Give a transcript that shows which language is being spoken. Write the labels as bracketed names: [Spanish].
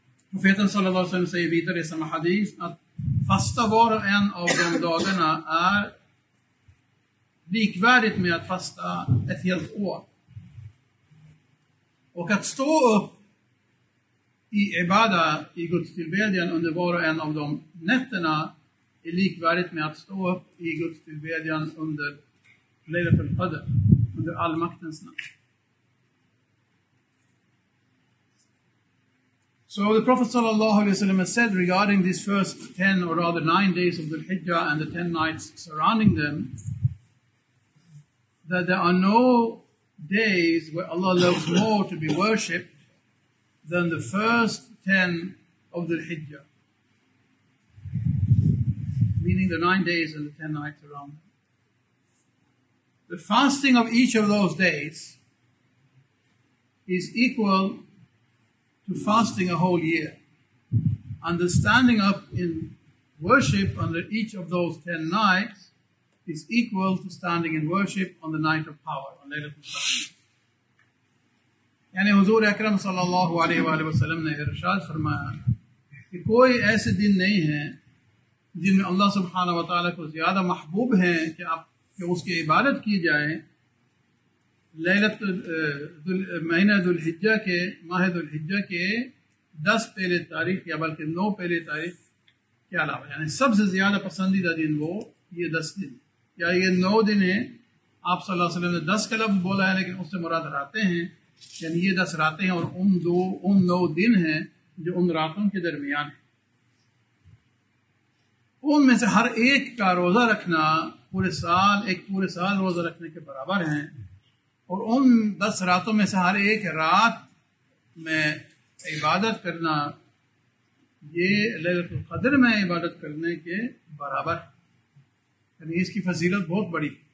[Swedish] Profeten sallallahu alaihi wasallam säger vidare i samma hadis att fasta var och en av de dagarna är likvärdigt med att fasta ett helt år. Och att stå upp i ibada, i Guds tillbedjan under var och en av de nätterna är likvärdigt med att stå upp i Guds tillbedjan under Leila för Qadr, under allmaktens natt. [English] So the Prophet sallallahu alaihi wasallam said regarding these first 10 or rather 9 days of the Hijjah and the 10 nights surrounding them, that there are no days where Allah loves more to be worshipped than the first 10 of the Hijjah, meaning the 9 days and the 10 nights around them. The fasting of each of those days is equal to fasting a whole year. And the standing up in worship under each of those 10 nights is equal to standing in worship on the night of power, on Laylatul Qadr. [Urdu] Yani Huzoor Akram sallallahu alaihi wasallam ne irshad farmaya ki koi aise din nahi hain jin mein Allah subhanahu wa ta'ala ko zyada mahboob hain ki aap ke uski ibadat ki jaye لیلۃ مہینہ ذوالحجہ کے ماہ ذوالحجہ کے 10 پہلے تاریخ یا بلکہ 9 پہلے تاریخ کے علاوہ, یعنی سب سے زیادہ پسندیدہ دن وہ یہ 10 دن یا یہ 9 دن ہیں. آپ صلی اللہ علیہ وسلم نے 10 کا لفظ بولا ہے لیکن اس سے مراد راتیں ہیں, یعنی یہ 10 راتیں ہیں اور ان 9 دن ہیں جو ان راتوں کے درمیان ہیں. ان میں سے ہر ایک کا روزہ رکھنا پورے سال ایک پورے سال روزہ رکھنے کے برابر ہیں, اور ان 10 راتوں میں سے ہر ایک رات میں عبادت کرنا یہ لیلۃ القدر میں عبادت کرنے کے برابر ہے, یعنی اس کی فضیلت بہت بڑی.